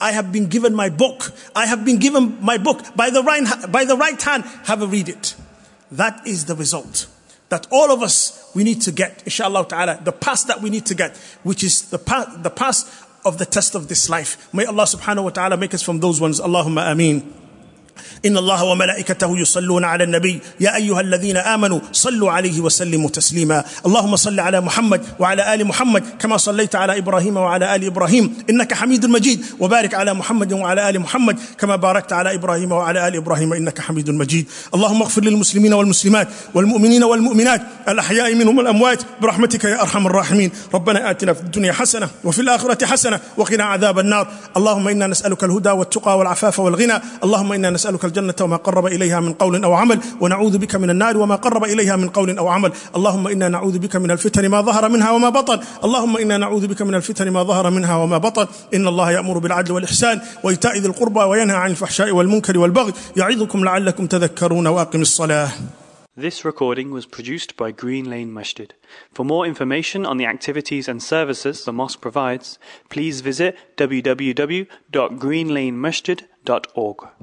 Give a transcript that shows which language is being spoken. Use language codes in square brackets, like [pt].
[en] I have been given my book. I have been given my book by the right hand. Have a read it. That is the result that all of us, we need to get, inshallah ta'ala, the pass that we need to get, which is the pass of the test of this life. May Allah subhanahu wa ta'ala make us from those ones. [ar] Allahumma ameen. إن الله وملائكته يصلون على النبي يا أيها الذين آمنوا صلوا عليه وسلموا تسليما اللهم صل على محمد وعلى آل محمد كما صليت على إبراهيم وعلى آل إبراهيم إنك حميد مجيد وبارك على محمد وعلى آل محمد كما باركت على إبراهيم وعلى آل إبراهيم إنك حميد مجيد اللهم اغفر للمسلمين والمسلمات والمؤمنين والمؤمنات الأحياء منهم الأموات برحمتك يا أرحم الراحمين ربنا آتنا في الدنيا حسنة وفي الآخرة حسنة وقنا عذاب النار اللهم إنا نسألك الهدى والتقى والعفاف والغنى اللهم إنا نسألك الجنة وما قرب إليها من قول أو عمل ونعوذ بك من النار وما قرب إليها من قول أو عمل اللهم إنا نعوذ بك من الفتن ما ظهر منها وما بطن اللهم إنا نعوذ بك من الفتن ما ظهر منها وما بطن إن الله يأمر بالعدل والإحسان وإيتاء ذي القربى وينهى عن الفحشاء والمنكر والبغي يعظكم لعلكم تذكرون وأقم الصلاة. [en] This recording was produced by Green Lane Masjid. For more information on the activities and services the mosque provides, please visit www.greenlanemasjid.org.